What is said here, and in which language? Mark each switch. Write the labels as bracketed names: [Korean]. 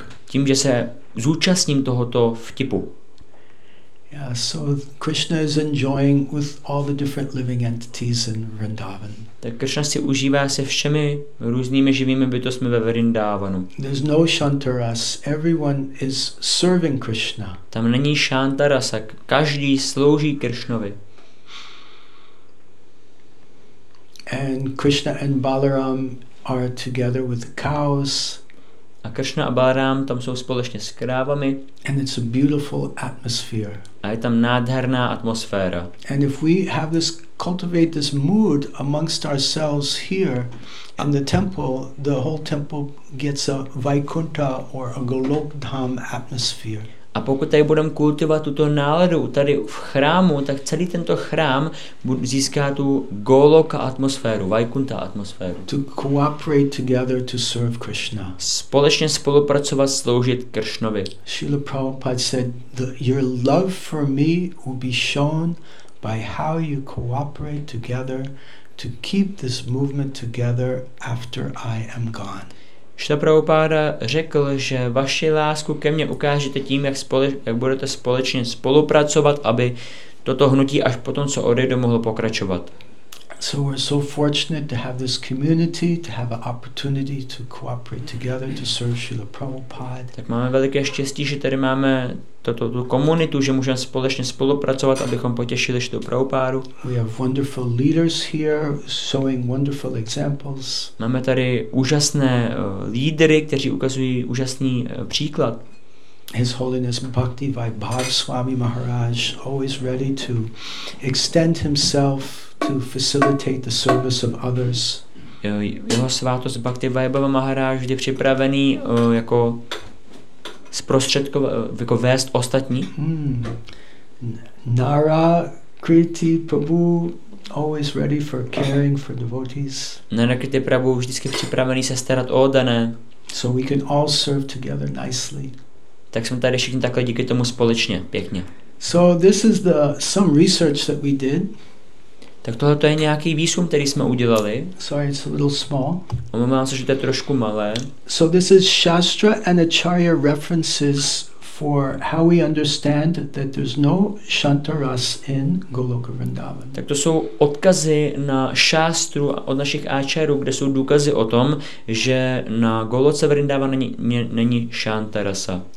[Czech] Tím, že se zúčastním tohoto vtipu. [English] Yeah, so Krishna is enjoying with all the different living entities in Vrindavan. [Czech] Tak Krishna si užívá se všemi různými živými bytostmi ve Vrindavanu. [English] There's no Shantaras, everyone is serving Krishna. [Czech] Tam není Shantarasa, každý slouží Krishnovi. [English] And Krishna and Balaram are together with the cows. [Czech] A Krishna a Balaram tam jsou společně s krávami. [English] And it's a beautiful atmosphere. [Czech] A je tam nádherná atmosféra. [English] And if we have this cultivate this mood amongst ourselves here in the temple, the whole temple gets a Vaikuntha or a Golokdham atmosphere. [Czech] A pokud tady budeme kultivovat tuto náladu tady v chrámu, tak celý tento chrám získá tu Goloka atmosféru, Vaikuntha atmosféru. [English] To cooperate together to serve Krishna. [Czech] Společně spolupracovat, sloužit Krishnovi. [English] Srila Prabhupada said your love for me will be shown by how you cooperate together to keep this movement together after I am gone. [Czech] Šta Prabhupada řekl, že vaši lásku ke mně ukážete tím, jak, jak budete společně spolupracovat, aby toto hnutí až potom, co odejde, mohlo pokračovat. [English] So we're so fortunate to have this community, to have an opportunity to cooperate together to serve Srila Prabhupada. [Czech] Tak máme veliké štěstí, že tady máme toto tu komunitu, že můžeme společně spolupracovat, abychom potěšili Srilu Prabhupádu. [English] We have wonderful leaders here showing wonderful examples. [Czech] Máme tady úžasné lídry, kteří ukazují úžasný příklad. [English] His Holiness Bhakti Vaibhav Swami Maharaj always ready to extend himself to facilitate the service of others. [Czech] Jeho svátost Bhakti Vaibhava Maharaj je připravený jako zprostředkovat, jako vést ostatní. [English] Nara Kriti Prabhu always ready for caring for devotees. [Czech] Nara Kriti Prabhu vždycky připravený se starat o oddané. [English] So we can all serve together nicely. [Czech] Tak jsme tady všichni takhle díky tomu společně, pěkně. [English] So this is the some research that we did. [Czech] Tak tohle to je nějaký výzkum, který jsme udělali. [English] Sorry, it's a little small. [Czech] Omlouvám se, že to je trošku malé. [English] So this is Shastra and Acharya references for how we understand that there's no Shantaras in Goloka Vrindavan. [Czech] Tak to jsou odkazy na Shastru od našich Acharyů, kde jsou důkazy o tom, že na Goloce Vrindavan není Shantarasa.